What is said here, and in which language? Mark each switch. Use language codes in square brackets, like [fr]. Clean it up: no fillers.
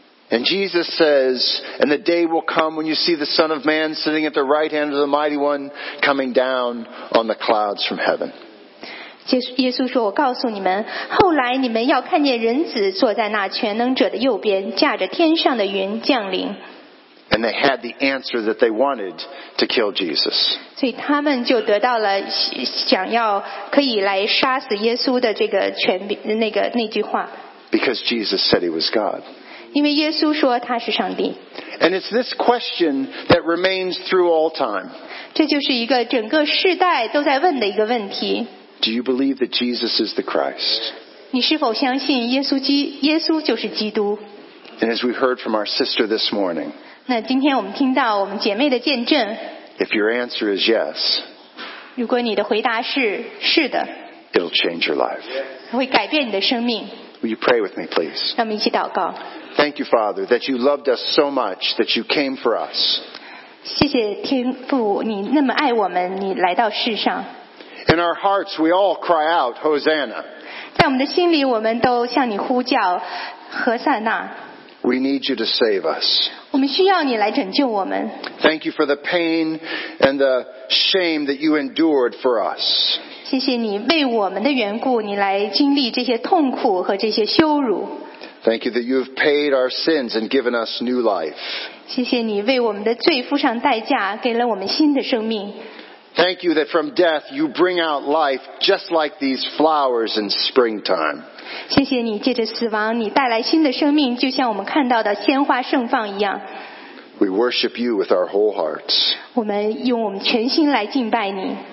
[en] And Jesus says, "And the day will come when you see the Son of Man sitting at the right hand of the Mighty One, coming down on the clouds from heaven." [zh] 耶稣说，我告诉你们，后来你们要看见人子坐在那全能者的右边，驾着天上的云降临。 [en] And they had the answer that they wanted to kill Jesus. [zh] 所以他们就得到了想要可以来杀死耶稣的这个权柄，那个那句话。 [en] Because Jesus said he was God. [zh] 因为耶稣说他是上帝。 [en] And it's this question that remains through all time. [zh] 这就是一个整个世代都在问的一个问题。 [en] Do you believe that Jesus is the Christ? [zh] 你是否相信耶稣就是基督？ [en] And as we heard from our sister this morning. [zh] 那今天我们听到我们姐妹的见证。 [en] If your answer is yes, [zh] 如果你的回答是是的， [en] it'll change your life. [zh] 会改变你的生命。 [en] Will you pray with me, please? [zh] 让我们一起祷告。 [en] Thank you, Father, that you loved us so much that you came for us. [zh] 谢谢天父，你那么爱我们，你来到世上。 [en] In our hearts, we all cry out, Hosanna. [zh] 在我们的心里，我们都向你呼叫，何塞纳。 [en] We need you to save us. [zh] 我们需要你来拯救我们。 [en] Thank you for the pain and the shame that you endured for us. [zh] 谢谢你为我们的缘故，你来经历这些痛苦和这些羞辱。 [en] Thank you that you have paid our sins and given us new life. [zh] 谢谢你为我们的罪付上代价，给了我们新的生命。 [en] Thank you that from death you bring out life just like these flowers in springtime. [zh] 谢谢你借着死亡你带来新的生命，就像我们看到的鲜花盛放一样。 [en] We worship you with our whole hearts. [zh] 我们用我们全心来敬拜你。